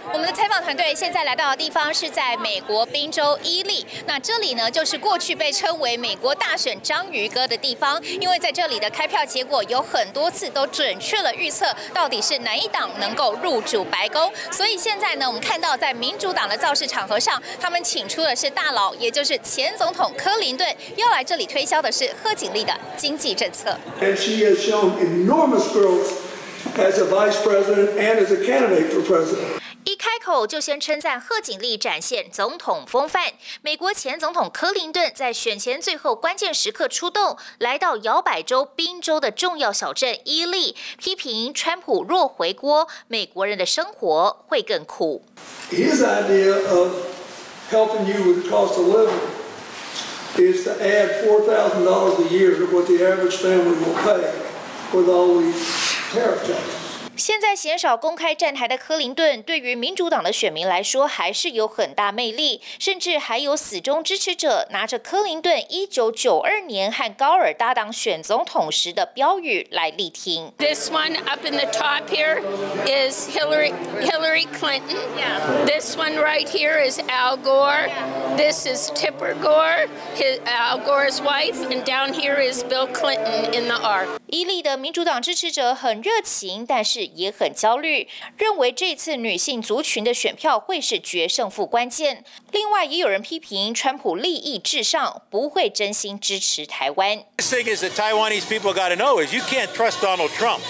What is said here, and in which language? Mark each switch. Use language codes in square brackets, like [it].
[zh] 我们的采访团队现在来到的地方是在美国宾州伊利，那这里呢就是过去被称为美国大选章鱼哥的地方，因为在这里的开票结果有很多次都准确了预测到底是哪一党能够入主白宫。所以现在呢，我们看到在民主党的造势场合上，他们请出的是大佬，也就是前总统克林顿，要来这里推销的是贺锦丽的经济政策。 [en] And she has shown enormous growthas a vice president and as a candidate for president. [zh] 一开口就先称赞贺锦丽展现总统风范。美国前总统克林顿在选前最后关键时刻出动，来到摇摆州宾州的重要小镇伊利，批评川普若回国，美国人的生活会更苦。 [en] His idea of helping you with the cost of living is to add $4,000 a year to what the average family will pay with all these. [zh] 现在鲜少公开站台的克林顿，对于民主党的选民来说还是有很大魅力，甚至还有死忠支持者拿着克林顿1992年和高尔搭档选总统时的标语来力挺。 [en] This one up in the top here is Hillary Clinton. This one right here is Al Gore. This is Tipper Gore, Al Gore's wife, and down here is Bill Clinton in the arc. [zh] 伊利的民主党支持者很热情，但是也很焦虑，认为这次女性族群的选票会是决胜负关键。另外，也有人批评川普利益至上，不会真心支持台湾。 [en] The thing is that Taiwanese people got to know is you can't trust Donald Trump.